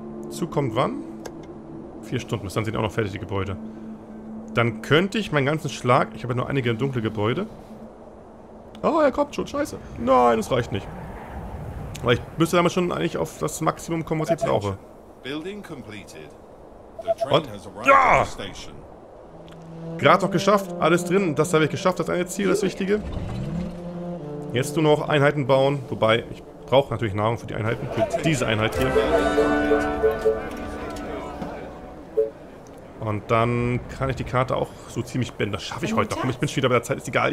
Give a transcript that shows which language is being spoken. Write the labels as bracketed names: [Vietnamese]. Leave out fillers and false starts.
[German] Zug kommt wann? 4 Stunden. Bis dann sind auch noch fertig die Gebäude. Dann könnte ich meinen ganzen Schlag... Ich habe ja nur einige dunkle Gebäude. Oh, er kommt schon. Scheiße. Nein, das reicht nicht. Weil ich müsste damals schon eigentlich auf das Maximum kommen, was ich jetzt brauche. [English] Building completed. The train has arrived at the station. [German] Gerade noch geschafft. Alles drin. Das habe ich geschafft. Das ist ein Ziel, das Wichtige. Jetzt nur noch Einheiten bauen. Wobei, ich brauche natürlich Nahrung für die Einheiten. Für diese Einheit hier. Und dann kann ich die Karte auch so ziemlich bänden. Das schaffe ich heute noch. Komm, ich bin schon wieder bei der Zeit. Ist egal.